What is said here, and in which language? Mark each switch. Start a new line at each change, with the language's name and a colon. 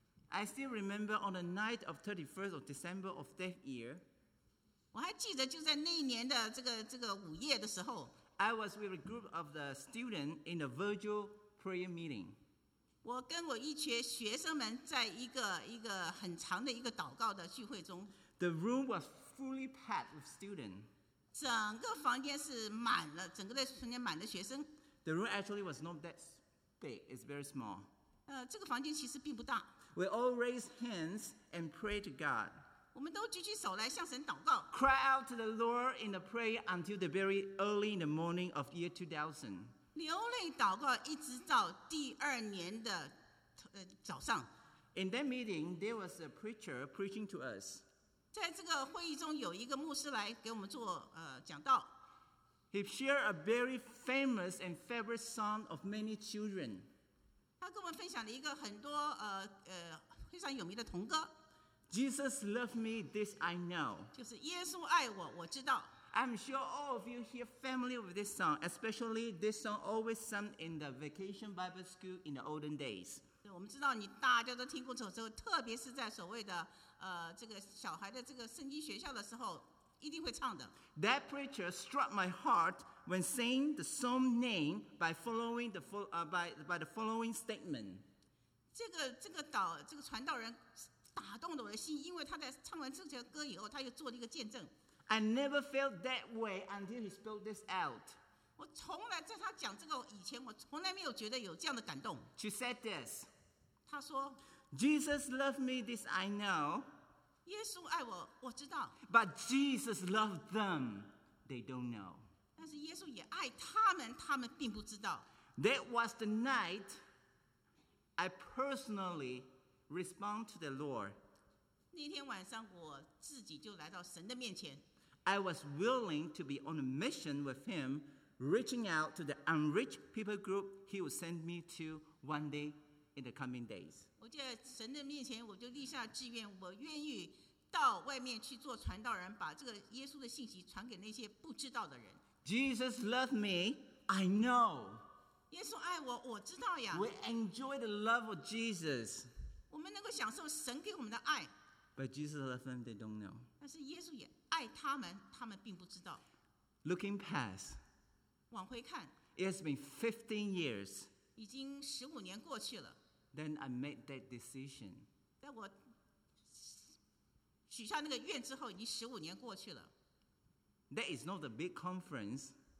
English: I still remember on the night of 31st of December of that year.
Chinese: 我还记得就在那一年的这个午夜的时候
English: I was with a group of the students in a virtual prayer meeting.
Chinese: 我跟我一群学生们在一个很长的一个祷告的聚会中
English: The room was fully packed with students.
Chinese: 整个房间是满了整个的房间满了学生
English: The room actually was not that big, it's very small.
Chinese: 这个房间其实并不大
English: We all raised hands and prayed to God.
Chinese: 我们都举起手来向神祷告
English: Cry out to the Lord in the prayer until the very early in the morning of year 2000.
Chinese: 流泪祷告一直到第二年的早上
English: In that meeting, there was a preacher preaching to us.
Chinese: 在这个会议中有一个牧师来给我们做讲道
English: He shared a very famous and favorite song of many children.
Chinese: 他跟我们分享了一个很多非常有名的童歌
English: Jesus loved me, this I know.
Chinese: 就是耶稣爱我，我知道。
English: I'm sure all of you here familiar with this song, especially this song always sung in the vacation Bible school in the olden days.
Chinese: 对，我们知道你大家都听过这首之后，特别是在所谓的这个小孩的这个圣经学校的时候，一定会唱的。
English: That preacher struck my heart when saying the song name by following the by the following statement.
Chinese: 这个传道人。打动了我的心，因为他在唱完这首歌以后，他又做了一个见证。
English: I never felt that way until he spoke this out.
Chinese: 我从来在他讲这个以前，我从来没有觉得有这样的感动。
English: She said this.
Chinese: 他说
English: ，Jesus loved me, this I know.
Chinese: 耶稣爱我，我知道。
English: But Jesus loved them, they don't know.
Chinese: 但是耶稣也爱他们，他们并不知道。
English: That was the night I personally. Respond to the Lord.
Chinese: 那天晚上我自己就来到神的面前。
English: I was willing to be on a mission with him, reaching out to the unreached people group he would send me to one day in the coming days.
Chinese: 我就在神的面前，我就立下志愿，我愿意到外面去做传道人，把这个耶稣的信息传给那些不知道的人。
English: Jesus loved me, I know.
Chinese: 耶稣爱我，我知道呀。
English: We enjoy the love of Jesus.
Chinese: 我们能够享受神给我们的爱。
English: But Jesus loved them, they don't know.
Chinese: 但是耶稣也爱他们，他们并不知道。
English: Looking past.
Chinese: 往回看。
English: It has been 15 years.
Chinese: 已经15年过去了。
English: Then I made that decision.
Chinese: 但我许下那个愿之后，已经15年过去了。
English: That is not a big conference.